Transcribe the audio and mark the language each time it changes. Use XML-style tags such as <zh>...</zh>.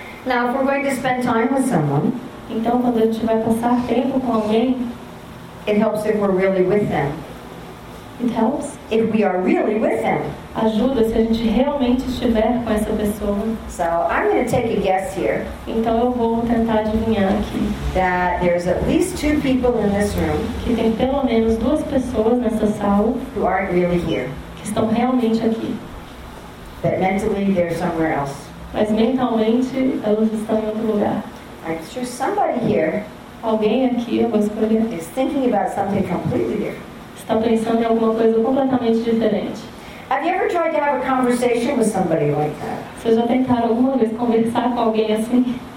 <en>Now, if we're going to spend time with someone,</en> <pt>então, quando a gente vai passar tempo com alguém,</pt> <en>it helps if we're really with them. It helps. If we are really with them.</en> <pt>Ajuda se a gente realmente estiver com essa pessoa.</pt> <en>So, I'm going to take a guess here.</en> <pt>Então, eu vou tentar adivinhar aqui.</pt> <en>That there's at least two people in this room.</en> <pt>Que tem pelo menos duas pessoas nessa sala.</pt> <en>Who aren't really here.</en> <pt>Estão realmente aqui.</pt> <en>That mentally they're somewhere else.</en> <pt>Mas mentalmente elas estão em outro lugar.</pt> <en>I'm sure somebody here.</en> <pt>Alguém aqui, eu vou escolher.</pt> <en>Is thinking about something completely different.</en> <pt>Está pensando em alguma coisa completamente diferente.</pt> <en>Have you ever tried to have a conversation with somebody like that?</en> <pt>Vocês já tentaram alguma vez conversar com alguém assim?</pt>